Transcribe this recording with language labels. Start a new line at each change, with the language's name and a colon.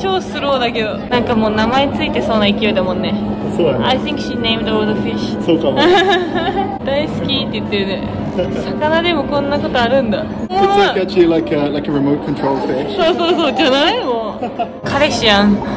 Japanese: 超スローだけど、なんかもう名前ついてそうな勢いだもんね。そうだね。
English: I think she named all the fish。
Japanese: そうかも。大好きって言ってるね。魚でもこんなことあるんだ。
English: It's like actually like a remote control fish。
Japanese: そうそうそう、じゃないもう。彼氏やん。